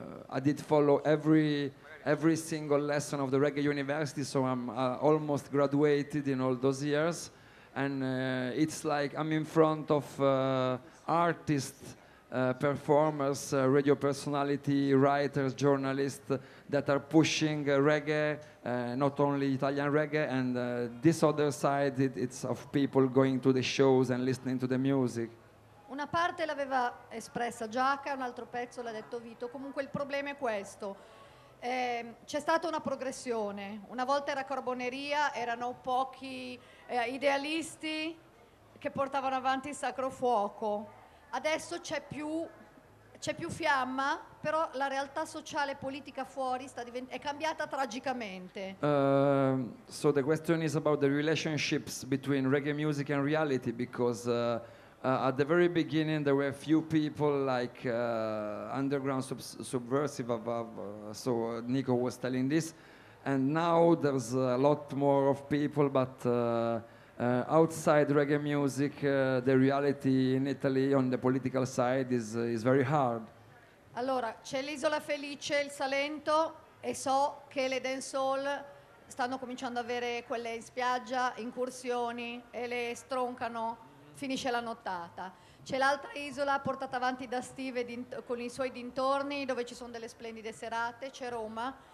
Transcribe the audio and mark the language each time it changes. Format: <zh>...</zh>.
<en>I did follow every single lesson of the Reggae University, so I'm almost graduated in all those years, and it's like I'm in front of artists, performers, radio personality, writers, journalists that are pushing reggae, not only Italian reggae, and this other side, it's of people going to the shows and listening to the music.</en> <it>Una parte l'aveva espressa Giacca, un altro pezzo l'ha detto Vito, comunque il problema è questo. C'è stata una progressione, una volta era carboneria, erano pochi idealisti che portavano avanti il sacro fuoco, adesso c'è più fiamma, però la realtà sociale e politica fuori è cambiata tragicamente.</it> <en>So the question is about the relationships between reggae music and reality, because at the very beginning, there were a few people like underground subversive above, so Nico was telling this, and now there's a lot more of people, but outside reggae music, the reality in Italy on the political side is very hard.</en> <it>Allora, c'è l'Isola Felice, il Salento, e so che le dancehall stanno cominciando ad avere quelle in spiaggia, incursioni, e le stroncano. Finisce la nottata. C'è l'altra isola portata avanti da Steve con i suoi dintorni, dove ci sono delle splendide serate, c'è Roma.</it>